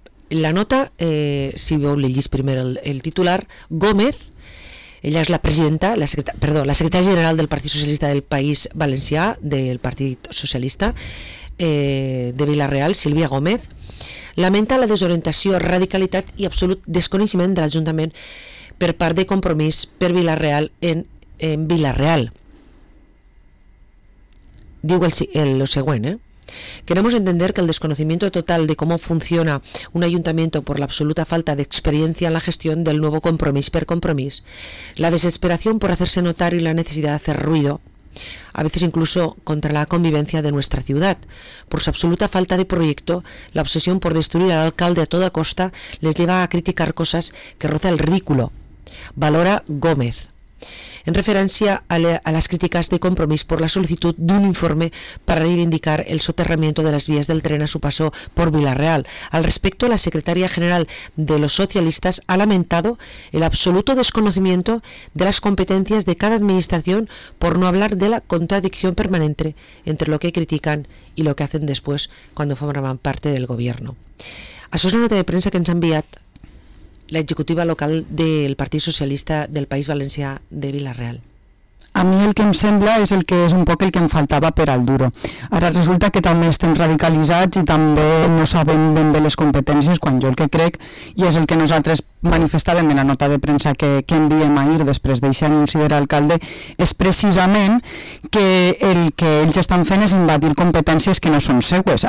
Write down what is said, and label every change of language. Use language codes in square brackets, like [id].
[ca] La nota, si vol llegir primer el titular, Gómez, ella és la presidenta, la secretària general del Partit Socialista del País Valencià, del Partit Socialista de Vila-real, Sílvia Gómez, lamenta la desorientació, radicalitat i absolut desconeixement de l'Ajuntament per part de Compromís per Vila-real en Vila-real. Diu lo següent, [es] Queremos entender que el desconocimiento total de cómo funciona un ayuntamiento por la absoluta falta de experiencia en la gestión del nuevo Compromís per Compromís, la desesperación por hacerse notar y la necesidad de hacer ruido, a veces incluso contra la convivencia de nuestra ciudad, por su absoluta falta de proyecto, la obsesión por destruir al alcalde a toda costa les lleva a criticar cosas que roza el ridículo. Valora Gómez. En referencia a las críticas de Compromís por la solicitud de un informe para reivindicar el soterramiento de las vías del tren a su paso por Vila-real. Al respecto, la secretaria general de los socialistas ha lamentado el absoluto desconocimiento de las competencias de cada administración, por no hablar de la contradicción permanente entre lo que critican y lo que hacen después cuando forman parte del gobierno. [ca] Això és la nota de premsa que ens ha enviat la executiva local del Partit Socialista del País Valencià de Vila-real. A mi el que em sembla és el que és un poc el que em faltava per al duro. Ara resulta que també estem radicalitzats i també no sabem ben bé les competències, quan jo el que crec, i és el que nosaltres manifestàvem en la nota de premsa que enviem ahir després d'aixer anunci de l'alcalde, és precisament que el que ells estan fent és invadir competències que no són seues.